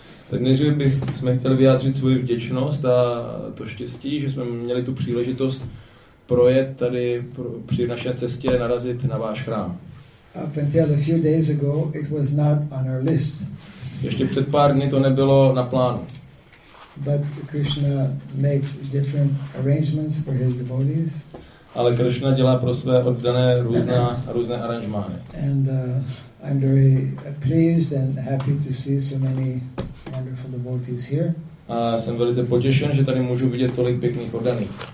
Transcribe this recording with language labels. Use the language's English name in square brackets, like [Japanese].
[Czech] Tak než bychom chtěli vyjádřit svou vděčnost a to štěstí, že jsme měli tu příležitost projet tady při naší cestě narazit na váš chrám. [English] Up until a few days ago, it was not on our list. [Czech] Ještě před pár dny to nebylo na plánu. [English] But Krishna makes different arrangements for his devotees. [Czech] Ale Krishna dělá pro své oddané různé aranžmány. [English] And I'm very pleased and happy to see so many wonderful devotees here. [Czech] A jsem velice potěšen, že tady můžu vidět tolik pěkných oddaných.